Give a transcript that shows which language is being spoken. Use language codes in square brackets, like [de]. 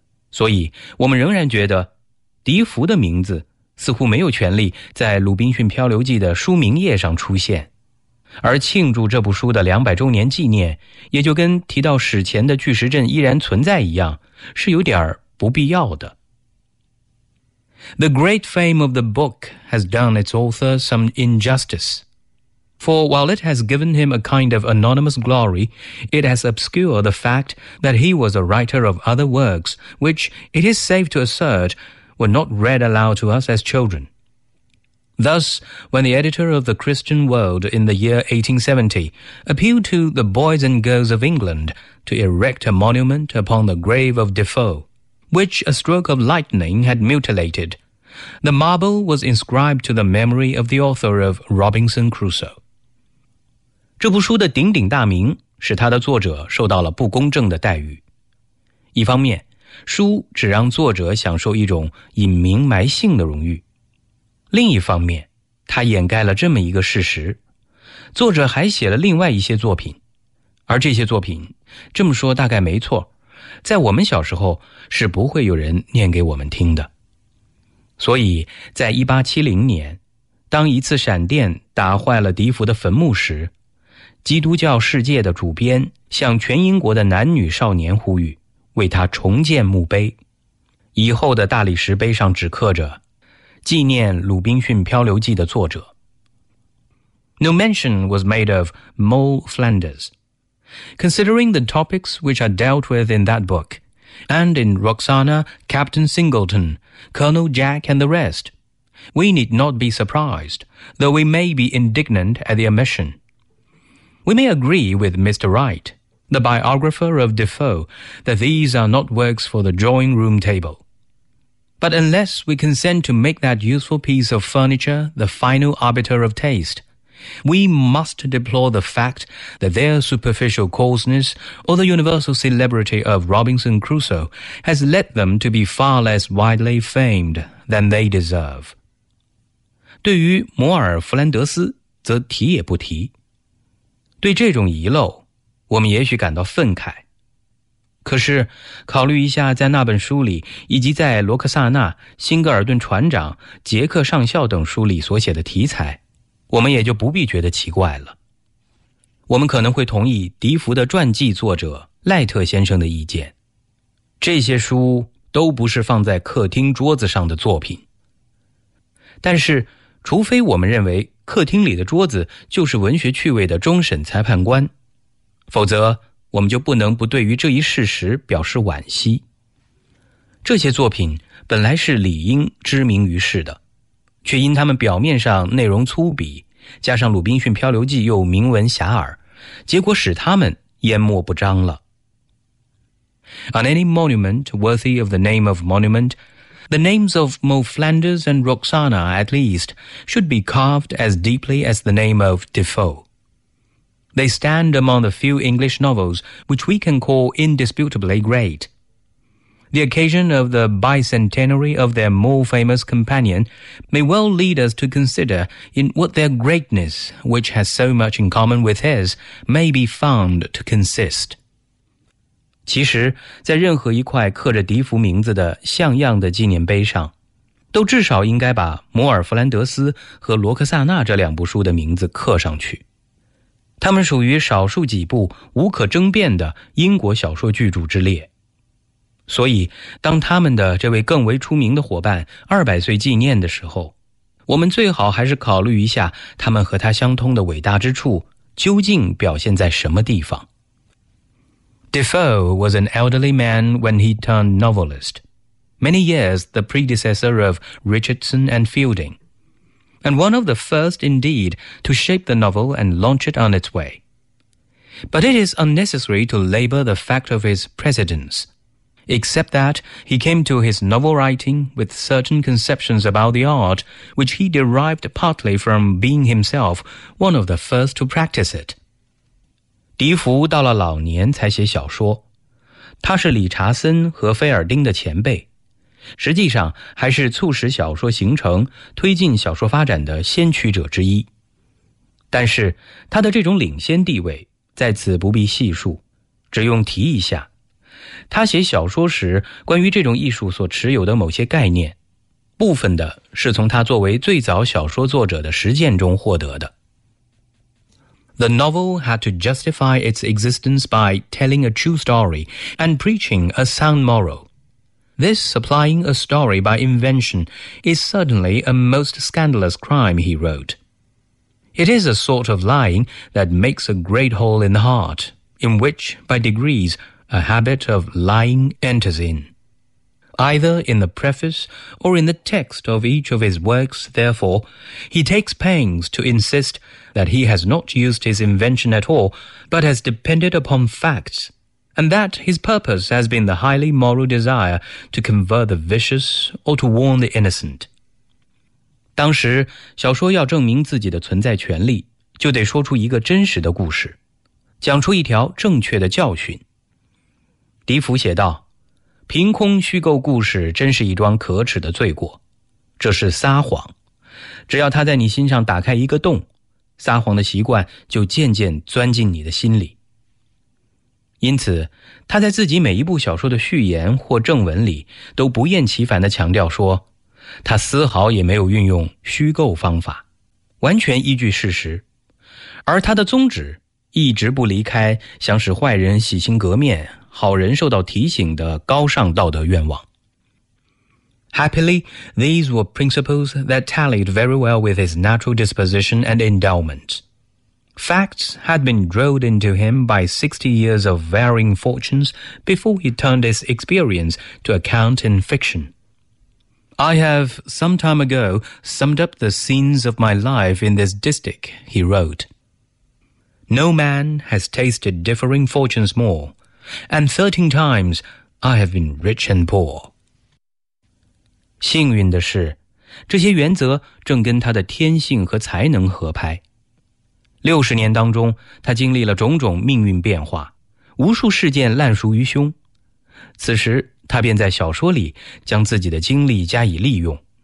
[zh] 所以我们仍然觉得迪福的名字似乎没有权利在《鲁滨逊漂流记》的书名页上出现，而庆祝这部书的200周年纪念也就跟提到史前的巨石阵依然存在一样，是有点不必要的。 [en] The great fame of the book has done its author some injustice. For while it has given him a kind of anonymous glory, it has obscured the fact that he was a writer of other works, which it is safe to assert... were not read aloud to us as children. Thus, when the editor of the Christian World in the year 1870 appealed to the boys and girls of England to erect a monument upon the grave of Defoe, which a stroke of lightning had mutilated, the marble was inscribed to the memory of the author of Robinson Crusoe. [zh] 这部书的鼎鼎大名使它的作者受到了不公正的待遇。一方面，书只让作者享受一种隐名埋姓的荣誉。另一方面，它掩盖了这么一个事实。作者还写了另外一些作品，而这些作品，这么说大概没错，在我们小时候是不会有人念给我们听的。所以在1870年，当一次闪电打坏了笛福的坟墓时，基督教世界的主编向全英国的男女少年呼吁为他重建墓碑。以后的大理石碑上只刻着纪念鲁滨逊漂流记的作者。 [en] No mention was made of Moll Flanders. Considering the topics which are dealt with in that book, and in Roxana, Captain Singleton, Colonel Jack and the rest, we need not be surprised, though we may be indignant at the omission. We may agree with Mr. Wright, the biographer of Defoe, that these are not works for the drawing room table. But unless we consent to make that useful piece of furniture the final arbiter of taste, we must deplore the fact that their superficial coarseness or the universal celebrity of Robinson Crusoe has led them to be far less widely famed than they deserve. [zh] 对于摩尔·弗兰德斯则提也不提。对这种遗漏，我们也许感到愤慨。可是考虑一下在那本书里以及在罗克萨纳、辛格尔顿船长、杰克上校等书里所写的题材，我们也就不必觉得奇怪了。我们可能会同意笛福的传记作者赖特先生的意见，这些书都不是放在客厅桌子上的作品。但是除非我们认为客厅里的桌子就是文学趣味的终审裁判官，否则我们就不能不对于这一事实表示惋惜。这些作品本来是理应知名于世的，却因他们表面上内容粗鄙，加上鲁滨逊漂流记又名闻遐迩，结果使他们淹没不彰了。 [en] On any monument worthy of the name of monument, the names of Moll Flanders and Roxana at least should be carved as deeply as the name of Defoe. They stand among the few English novels which we can call indisputably great. The occasion of the bicentenary of their more famous companion may well lead us to consider in what their greatness, which has so much in common with his, may be found to consist. [zh] 其实，在任何一块刻着笛福名字的像样的纪念碑上，都至少应该把摩尔·弗兰德斯和罗克萨纳这两部书的名字刻上去。他们属于少数几部无可争辩的英国小说巨著之列。所以当他们的这位更为出名的伙伴200岁纪念的时候，我们最好还是考虑一下他们和他相通的伟大之处究竟表现在什么地方。 [en] Defoe was an elderly man when he turned novelist, many years the predecessor of Richardson and Fielding. And one of the first, indeed, to shape the novel and launch it on its way. But it is unnecessary to labor the fact of his precedence, except that he came to his novel writing with certain conceptions about the art, which he derived partly from being himself one of the first to practice it. [zh] 笛福到了老年才写小说，他是理查森和菲尔丁的前辈。实际上还是促使小说形成、推进小说发展的先驱者之一。但是他的这种领先地位在此不必细述，只用提一下，他写小说时关于这种艺术所持有的某些概念，部分的是从他作为最早小说作者的实践中获得的。 [en] The novel had to justify its existence by telling a true story and preaching a sound moral. This supplying a story by invention is certainly a most scandalous crime, he wrote. It is a sort of lying that makes a great hole in the heart, in which, by degrees, a habit of lying enters in. either in the preface or in the text of each of his works. Therefore, he takes pains to insist that he has not used his invention at all, but has depended upon facts, and that his purpose has been the highly moral desire to convert the vicious or to warn the innocent. [zh] 当时，小说要证明自己的存在权利，就得说出一个真实的故事，讲出一条正确的教训。笛福写道，凭空虚构故事真是一桩可耻的罪过，这是撒谎。只要他在你心上打开一个洞，撒谎的习惯就渐渐钻进你的心里。因此，他在自己每一部小说的序言或正文里都不厌其烦地强调说，他丝毫也没有运用虚构方法，完全依据事实。而他的宗旨一直不离开想使坏人洗心革面，好人受到提醒的高尚道德愿望。 [en] Happily, these were principles that tallied very well with his natural disposition and endowment. Facts had been drilled into him by 60 years of varying fortunes before he turned his experience to account in fiction. I have, some time ago, summed up the scenes of my life in this distich, he wrote. No man has tasted differing fortunes more, and 13 times I have been rich and poor. [zh] 幸运的是，这些原则正跟他的天性和才能合拍。 60年当中，他经历了种种命运变化，无数事件烂熟于胸。此时，他便在小说里将自己的经历加以利用。